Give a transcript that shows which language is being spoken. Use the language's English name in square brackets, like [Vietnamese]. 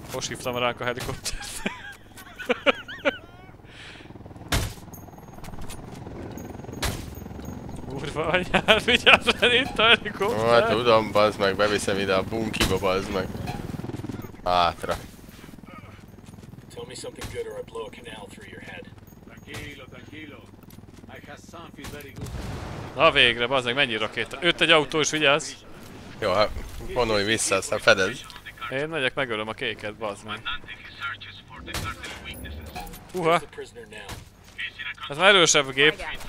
[Hungarian] Most hívtam ránk a helikoptert. Anyád, vigyázzon itt a helikopter! Hát tudom, bazd meg, beviszem ide a bunkiba, bazd meg. Átra. [English] Tell me something good or I blow a canal through your head. [Spanish] Tranquilo, tranquilo. [English] I have something very good. [Hungarian] Na végre, bazd meg, mennyi rakéta? Őt egy autó is, vigyázz! Jó, hát vonulj vissza, aztán fedezd. Én megyek, megölöm a kéket, bazd meg. Uha! Ez már erősebb gép.